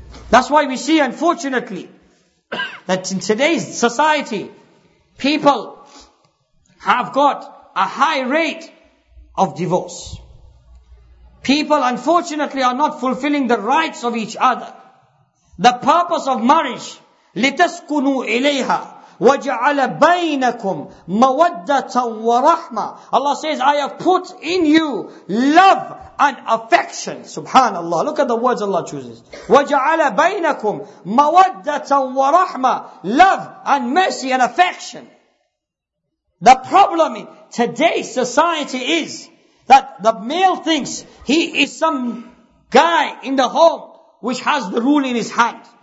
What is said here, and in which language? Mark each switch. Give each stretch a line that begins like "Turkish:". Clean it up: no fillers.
English: That's why we see, unfortunately, that in today's society, people have got a high rate of divorce. People, unfortunately, are not fulfilling the rights of each other. The purpose of marriage,
Arabic: لِتَسْكُنُوا إِلَيْهَا وَجَعَلَ بَيْنَكُمْ مَوَدَّةً وَرَحْمَةً.
English: Allah says, I have put in you love and affection. SubhanAllah. Look at the words Allah chooses.
Arabic: وَجَعَلَ بَيْنَكُمْ مَوَدَّةً وَرَحْمَةً.
English: Love and mercy and affection. The problem in today's society is that the male thinks he is some guy in the home which has the rule in his hand.